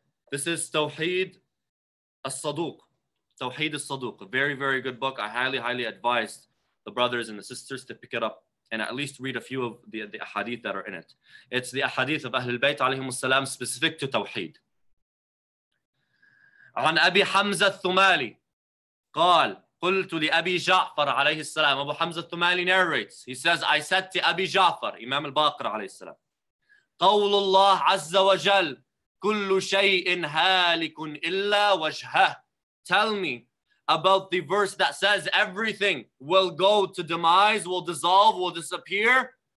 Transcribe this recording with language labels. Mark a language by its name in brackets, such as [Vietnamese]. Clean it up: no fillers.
[English] This is Tawheed al-Saduq. Tawheed al-Saduq, a very, very good book. I highly, highly advise the brothers and the sisters to pick it up and at least read a few of the ahadith that are in it. It's the ahadith of Ahlul Bayt alayhimus salam specific to Tawheed. [Arabic] عن أبي حمزة الثمالي قال قلت لأبي جعفر عليه السلام. [English] Abu Hamza al-Thumali narrates. He says, I said to Abi Ja'far, Imam al-Baqir alayhi salam, [Arabic] قول الله عز وجل كل شيء هالك إلا وجهه. [English] Tell me about the verse that says everything will go to demise, will dissolve, will disappear.